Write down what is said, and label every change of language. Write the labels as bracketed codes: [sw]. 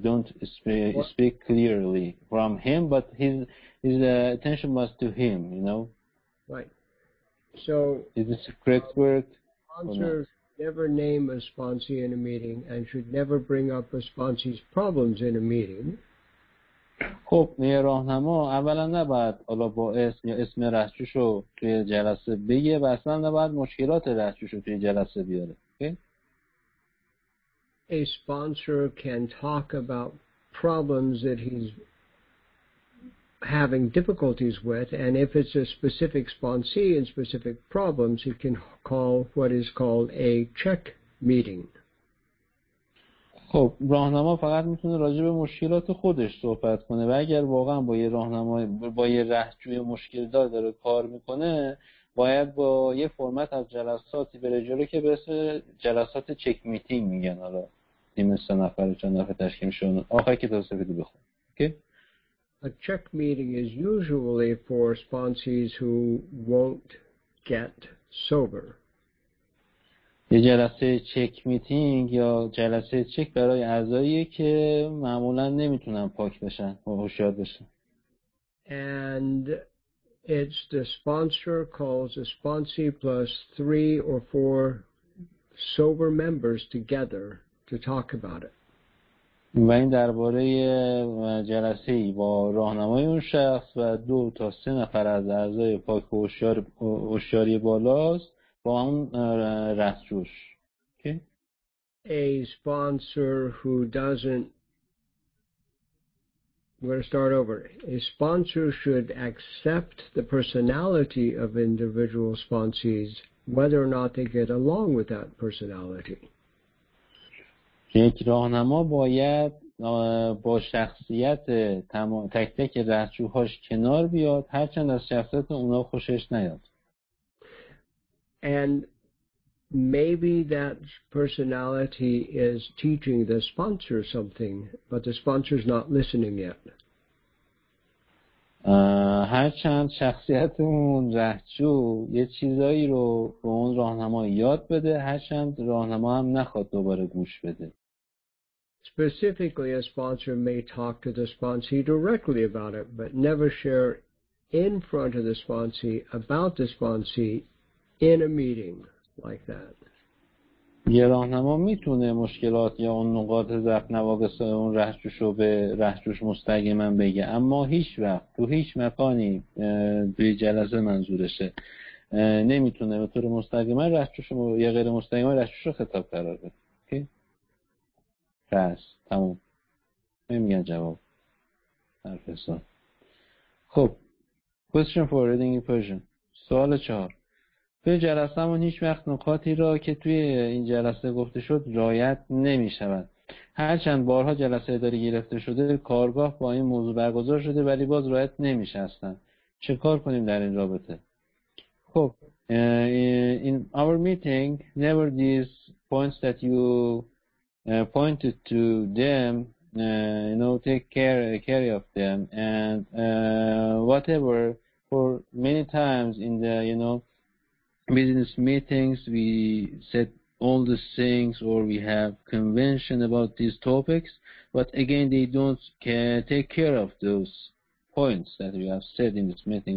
[en] Don't speak clearly from him, but his attention was to him, you know? Right. So, is this a correct word? Sponsors never name a sponsee in a meeting and should never bring up a sponsee's problems in a meeting. [fa] خب، یه راهنما اولا نباید حالا با اسم یا اسم رهجوشو توی جلسه بگه و اصلا نباید مشکلات رهجوشو توی جلسه بیاره. [en] A sponsor can talk about problems that he's having difficulties with, and if it's a specific sponsee and specific problems, he can call what is called a check meeting. [fa] خب راهنما فقط میتونه راجع به مشکلات خودش صحبت کنه و اگر واقعا با یه راهنمای با یه رهجوی مشکل دار داره کار میکنه، باید با یه فرمت از جلساتی بره جلو که به اسم جلسات چک میتینگ میگن. حالا تیم سه نفره چند نفره تشکیل میشه، آخر که تازه بده بخونه. اوکی. [en] A check meeting is usually for sponsees who won't get sober. [fa] یه جلسه چک میتینگ یا جلسه چک برای اعضاییه که معمولا نمیتونن پاک بشن و هوشیار بشن. [en] And it's the sponsor calls a sponsee plus 3 or 4 sober members together to talk about it. [fa] و این درباره جلسه با راهنمای اون شخص و 2 تا 3 نفر از اعضای پاک هوشیاری بالاست با اون رهجوش. [en] A sponsor who doesn't, we're going to start over. A sponsor should accept the personality of individual sponsees whether or not they get along with that personality. [fa] یک راهنما باید با شخصیت تمام تک تک رهجوهاش کنار بیاد هرچند از شخصیت اونا خوشش نیاد. [en] And maybe that personality is teaching the sponsor something, but the sponsor is not listening yet. [fa] هرچند شخصیت اون رهجو یه چیزایی رو به اون راهنما یاد بده هرچند راهنما هم نخواد دوباره گوش بده. [en] Specifically, a sponsor may talk to the sponsee directly about it, but never share in front of the sponsee about the sponsee in a meeting like that. [fa] یه راهنما میتونه مشکلات یا اون نقاط ضعف نواقص اون رهجوش رو به رهجوش مستقیما بگه، اما هیچ وقت تو هیچ مکانی به جلسه منظورشه نمیتونه به طور مستقیما رهجوش رو یا غیر مستقیما رهجوش رو خطاب قرار بده. پس تموم نمیگن جواب حرف حساب. [en] خب question for reading in Persian. [fa] سوال 4، توی جلسه‌مون هیچ وقت نکاتی را که توی این جلسه گفته شد رعایت نمی‌شود. هرچند بارها جلسه اداری گرفته شده کارگاه با این موضوع برگزار شده ولی باز رعایت نمی‌شستن. چه کار کنیم در این رابطه؟ [en] خب in our meeting never these points that you pointed to them you know take care of them and whatever for many times in the you know business meetings we said all the things or we have convention about these topics but again they don't take care of those points that we have said in this meeting.